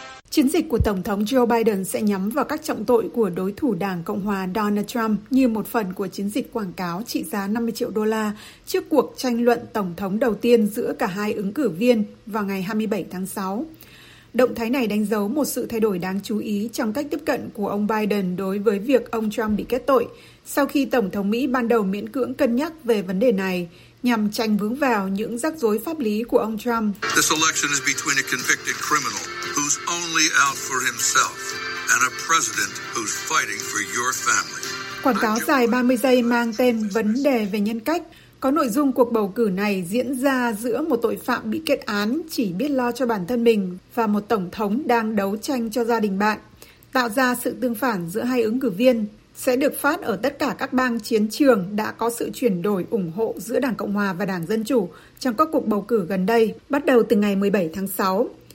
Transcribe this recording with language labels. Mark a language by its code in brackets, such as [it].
[vi] Chiến dịch của Tổng thống Joe Biden sẽ nhắm vào các trọng tội của đối thủ Đảng Cộng hòa Donald Trump như một phần của chiến dịch quảng cáo trị giá 50 triệu đô la trước cuộc tranh luận Tổng thống đầu tiên giữa cả hai ứng cử viên vào ngày 27 tháng 6. Động thái này đánh dấu một sự thay đổi đáng chú ý trong cách tiếp cận của ông Biden đối với việc ông Trump bị kết tội, sau khi Tổng thống Mỹ ban đầu miễn cưỡng cân nhắc về vấn đề này nhằm tránh vướng vào những rắc rối pháp lý của ông Trump. [en] This election is between a convicted criminal who's only out for himself and a president who's fighting for your family. [vi] Quảng cáo dài 30 giây mang tên Vấn đề về nhân cách có nội dung cuộc bầu cử này diễn ra giữa một tội phạm bị kết án chỉ biết lo cho bản thân mình và một tổng thống đang đấu tranh cho gia đình bạn, tạo ra sự tương phản giữa hai ứng cử viên, sẽ được phát ở tất cả các bang chiến trường đã có sự chuyển đổi ủng hộ giữa Đảng Cộng Hòa và Đảng Dân Chủ trong các cuộc bầu cử gần đây, bắt đầu từ ngày 17 tháng 6.